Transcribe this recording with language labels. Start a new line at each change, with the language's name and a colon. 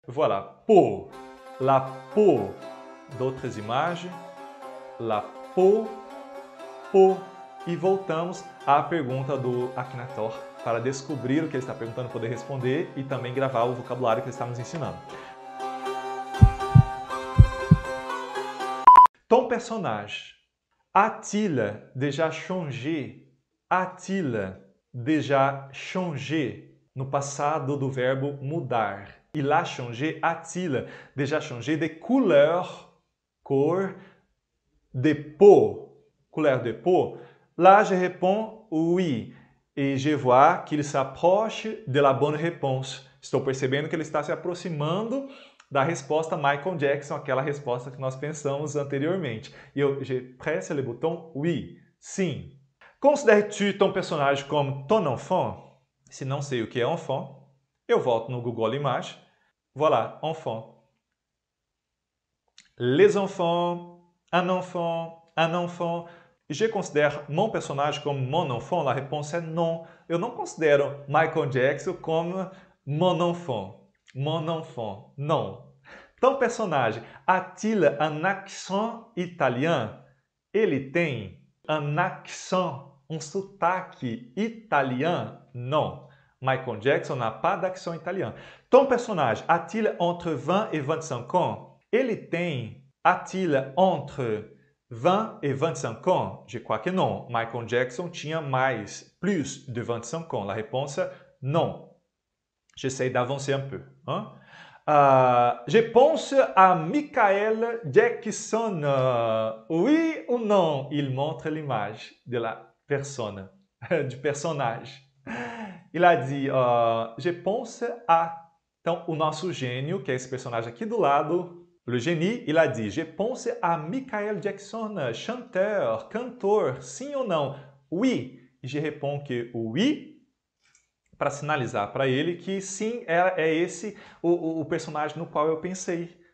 French: Voilà, peau, la peau, d'autres images, la peau, peau.
Portuguese: E voltamos à pergunta do Akhenator para descobrir o que ele está perguntando, poder responder e também gravar o vocabulário que ele está nos ensinando.
French: Ton personnage a-t-il déjà changé? A-t-il déjà changé?
Portuguese: No passado do verbo mudar.
French: Il a changé, a-t-il déjà changé de couleur, cor, de peau, couleur de peau? Là, je réponds oui. Et je vois qu'il s'approche de la bonne réponse.
Portuguese: Estou percebendo que ele está se aproximando da resposta Michael Jackson, aquela resposta que nós pensamos anteriormente. E eu,
French: je presse le bouton oui, sim. Considères-tu ton personnage comme ton enfant?
Portuguese: Se não sei o que é enfant, eu volto no Google Images.
French: Voilà, enfant. Les enfants, un enfant. Je considère mon personnage comme mon enfant? La réponse est non.
Portuguese: Eu não considero Michael Jackson
French: comme mon enfant. Mon enfant, non. Ton personnage a-t-il un accent italien?
Portuguese: Ele tem un accent, um sotaque italien?
French: Non. Michael Jackson n'a pas d'accent italien. Ton personnage a-t-il entre 20 et 25 ans?
Portuguese: Ele tem,
French: a-t-il entre 20 et 25 ans? Je crois que non.
Portuguese: Michael Jackson tinha mais,
French: plus de 25 ans. La réponse, non. J'essaie d'avancer un peu. Hein? Je pense à Michael Jackson. Oui ou non? Il montre l'image de la persona, du personnage. Il a dit, je pense à...
Portuguese: Então, o nosso gênio, que é esse personagem aqui do lado,
French: le génie, il a dit, je pense à Michael Jackson, chanteur,
Portuguese: cantor, sim ou não? Oui.
French: Je réponds que oui,
Portuguese: para sinalizar para ele que sim, é esse o personagem no qual eu pensei.